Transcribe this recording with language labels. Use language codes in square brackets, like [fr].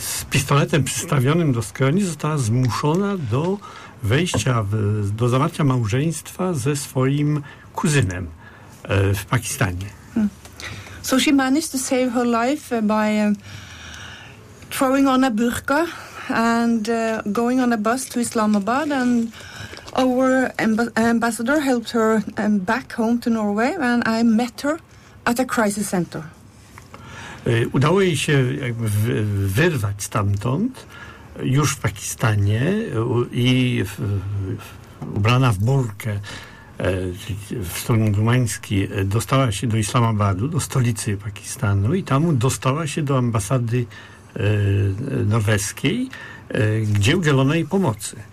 [pl] pistoletem przystawionym do skroni, została zmuszona do wejścia, do zawarcia małżeństwa ze swoim kuzynem w Pakistanie. [en] So she managed to save her life by throwing on a burqa and going on a bus to Islamabad, and our ambassador helped her back home to Norway, and I met her at a crisis center. [pl] Udało jej się wyrwać stamtąd już w Pakistanie i ubrana w burkę w stronę rumuńską, dostała się do Islamabadu, do stolicy Pakistanu, i tam dostała się do ambasady norweskiej, gdzie udzielono jej pomocy.